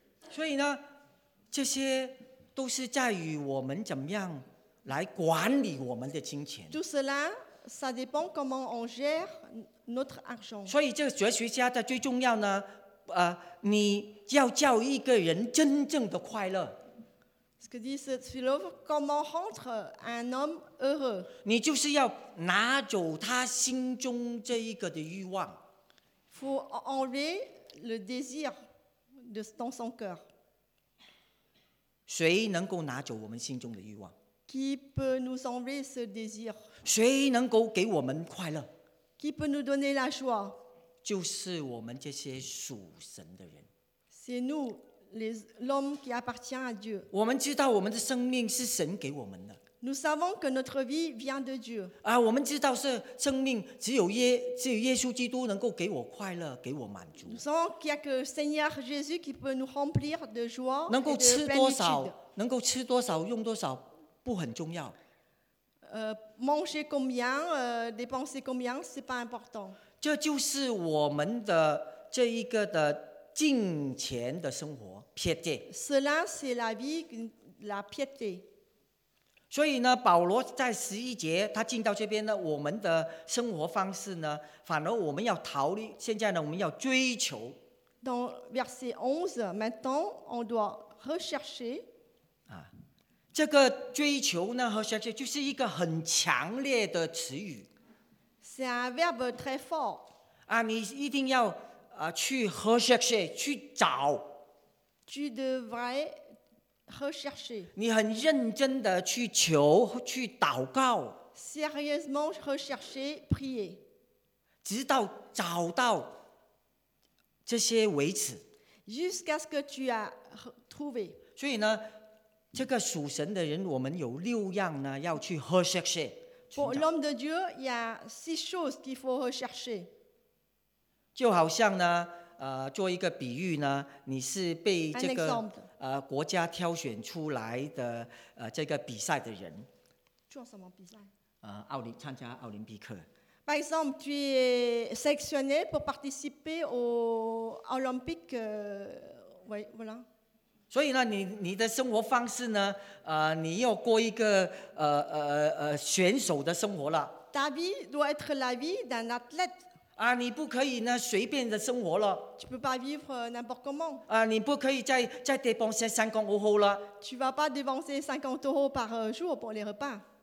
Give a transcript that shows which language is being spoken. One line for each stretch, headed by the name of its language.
Chinese: 所以呢，这些都是在于我们怎么样来管理我们的金钱。
French: Tout cela, ça dépend comment on gère notre argent.
Chinese: 所以这个哲学家的最重要呢，你要叫一个人真正的快乐。
French: Ce que dit ce philosophe, comment rendre un homme heureux?
Chinese: 你就是要拿走他心中这一个的欲望。
French: Faut enlever le désir de dans son cœur.
Chinese: 谁能够拿走我们心中的欲望？
French: Qui peut nous enlever ce désir?
Chinese: 谁能够给我们快乐？
French: Qui peut nous donner la joie?
Chinese: 就是我们这些属神的人。
French: C'est nous. L'homme qui appartient à Dieu.
Chinese: 我们知道我们的生命是神给我们的。
French: Nous savons que notre vie vient de Dieu.
Chinese: 啊，我们知道是生命只有耶稣基督能够给我快乐，给我满足。
French: Nous savons qu'il y a que Seigneur Jésus qui peut nous remplir de joie et de plénitude.
Chinese: 能够吃多少，用多少，不很重要。
French: Manger combien, dépenser combien, c'est pas important.
Chinese: 这就是我们的这一个的。金钱的生活 piété.
French: Cela, c'est la vie, la piété.
Chinese: 所以呢，保罗在十一节，他进到这边呢，我们的生活方式呢，反而我们要逃离。现在呢，我们要追求。
French: Dans verset 11, maintenant, on doit rechercher.
Chinese: 啊，这个追求呢和想去，就是一个很强烈的词语。
French: C'est un verbe très fort.
Chinese: 啊，你一定要。去 rechercher, 去找。
French: Tu devrais rechercher.
Chinese: 你很认真的去求，去祷告。
French: Sérieusement rechercher, prier.
Chinese: 直到找到这些为止。
French: jusqu'à ce que tu as trouvé.
Chinese: 所以呢，这个属神的人，我们有六样呢，要去 rechercher。
French: Pour l'homme de Dieu, il y a six choses qu'il faut rechercher.
Chinese: 就好像呢，做一个比喻呢，你是被这个国家挑选出来的这个比赛的人。做什么比赛？参加奥林匹克。
French: Par exemple, tu es sélectionné pour participer aux Olympiques. Oui, voilà.
Chinese: 所以呢，你的生活方式呢，你要过一个选手的生活了。
French: Ta vie doit être la vie d'un athlète.
Chinese: 你不可以呢随便的生活了。
French: Tu peux pas vivre n'importe comment.
Chinese: 你不可以再dépenser 50 euros 了。
French: Tu vas pas dépenser 50 euros par jour pour les repas.